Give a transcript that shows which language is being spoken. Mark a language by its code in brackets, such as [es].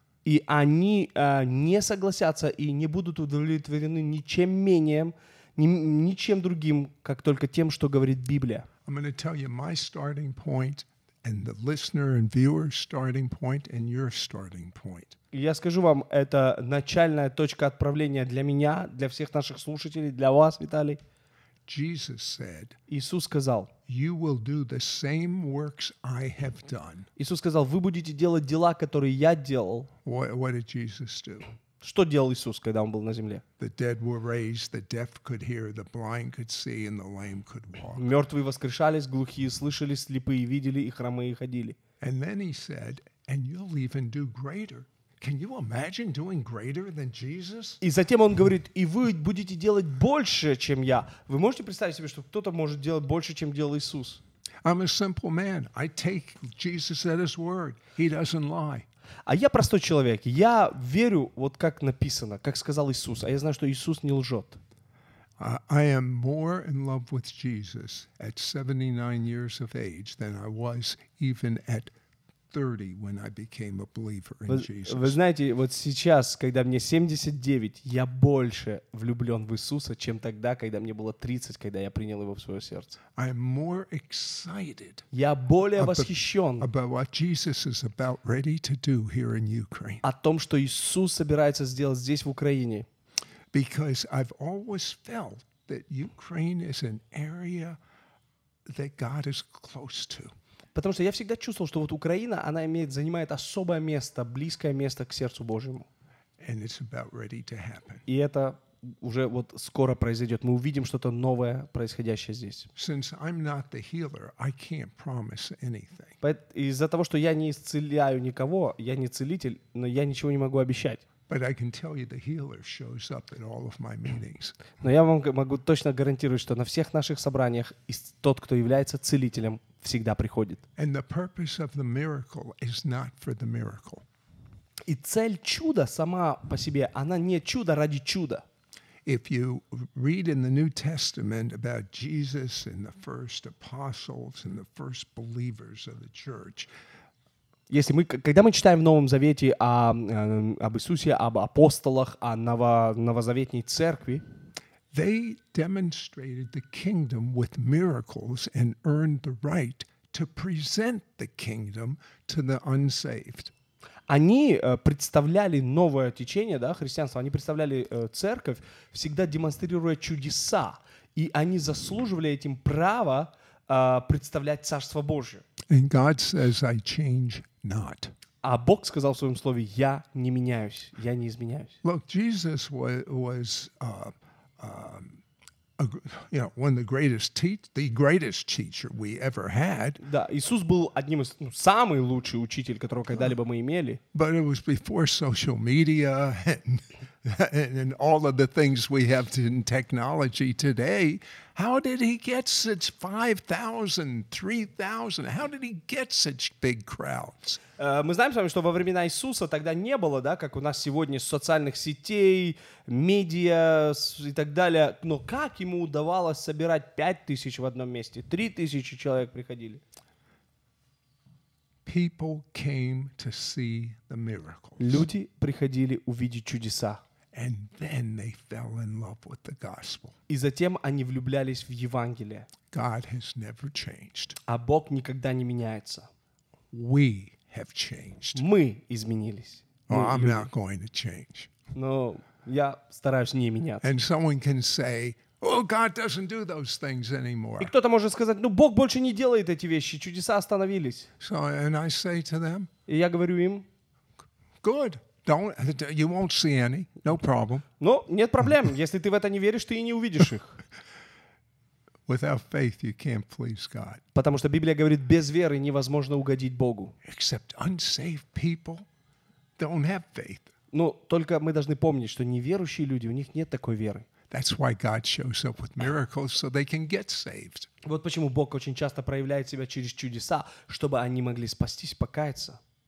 [ru] И они не согласятся и не будут удовлетворены ничем менее, ничем другим, как только тем, что говорит Библия. [en] I'm going to tell you my starting point. And the listener and viewer starting point and your starting point. [ru] Я скажу вам, это начальная точка отправления для меня, для всех наших слушателей, для вас, Виталий. [en] Jesus said. [ru] Иисус сказал. [en] You will do the same works I have done. [ru] Иисус сказал, вы будете делать дела, которые я делал. [en] What did Jesus do? [ru] Что делал Иисус, когда он был на земле? [en] The dead were raised, the deaf could hear, the blind could see, and the lame could walk. [ru] Мертвые воскрешались, глухие слышали, слепые видели, и хромые ходили. [en] And then he said, and you'll even do greater. Can you imagine doing greater than Jesus? [ru] И затем он говорит, и вы будете делать больше, чем я. Вы можете представить себе, что кто-то может делать больше, чем делал Иисус? [en] I'm a simple man. I take Jesus at his word. He doesn't lie. [ru] А я простой человек. Я верю, вот как написано, как сказал Иисус. А я знаю, что Иисус не лжет. [en] I am more in love with Jesus at 79 years of age than I was even at 30 when I became a believer in Jesus. [ru] Вы знаете, вот сейчас, когда мне 79, я больше влюблен в Иисуса, чем тогда, когда мне было 30, когда я принял его в свое сердце. [en] I am more excited. [ru] Я более восхищен. [en] About what Jesus is about ready to do here in Ukraine. [ru] О том, что Иисус собирается сделать здесь в Украине. [en] Because I've always felt that Ukraine is an area that God is close to. [ru] Потому что я всегда чувствовал, что вот Украина, она имеет, занимает особое место, близкое место к сердцу Божьему. [en] And it's about ready to happen. [ru] И это уже вот скоро произойдет. Мы увидим что-то новое, происходящее здесь. [en] Since I'm not the healer, I can't promise anything. [ru] Из-за того, что я не исцеляю никого, я не целитель, но я ничего не могу обещать. [en] But I can tell you the healer shows up at all of my meetings. [ru] Но я вам могу точно гарантировать, что на всех наших собраниях тот, кто является целителем, всегда приходит. [en] And the purpose of the miracle is not for the miracle. [ru] И цель чуда сама по себе, она не чудо ради чуда. [en] If you read in the New Testament about Jesus and the first apostles and the first believers of the church, [ru] если мы, когда мы читаем в Новом Завете об Иисусе, об апостолах, о новозаветней церкви, [en] they demonstrated the kingdom with miracles and earned the right to present the kingdom to the unsaved. [ru] Они представляли новое течение, да, христианство, они представляли церковь, всегда демонстрируя чудеса, и они заслуживали этим право представлять Царство Божие. [en] And God says, I change not. [ru] А Бог сказал в своем слове, я не меняюсь, я не изменяюсь. [en] Look, Jesus was one of the greatest the greatest teacher we ever had. [ru] Да, Иисус был одним из самый лучший учитель, которого когда-либо мы имели. [en] But it was before social media and all of the things we have in technology today. How did he get such 5,000, 3,000? How did he get such big crowds? [ru] Мы знаем с вами, что во времена Иисуса тогда не было, да, как у нас сегодня, социальных сетей, медиа и так далее. Но как ему удавалось собирать 5,000 в одном месте? 3,000 человек приходили. [en] People came to see the miracles. [ru] Люди приходили увидеть чудеса. [en] And then they fell in love with the gospel. [ru] И затем они влюблялись в Евангелие. [en] God has never changed. [ru] А Бог никогда не меняется. [en] We have changed. [ru] Мы изменились. [en] Oh, I'm not going to change. [ru] Но я стараюсь не меняться. [en] And someone can say, oh, God doesn't do those things anymore. [ru] И кто-то может сказать, ну, Бог больше не делает эти вещи, чудеса остановились. [en] So, and I say to them, [ru] и я говорю им, [en] good, don't, you won't see any, no problem. [ru] Ну, нет проблем, если ты в это не веришь, ты и не увидишь их. [en] Without faith, you can't please God. [ru] Потому что Библия говорит, без веры невозможно угодить Богу. [en] Except unsaved people don't have faith. [ru] Ну, только мы должны помнить, что неверующие люди, у них нет такой веры. [en] That's why God shows up with miracles so they can get saved. [ru] Вот почему Бог очень часто проявляет себя через чудеса, чтобы они могли спастись, покаяться.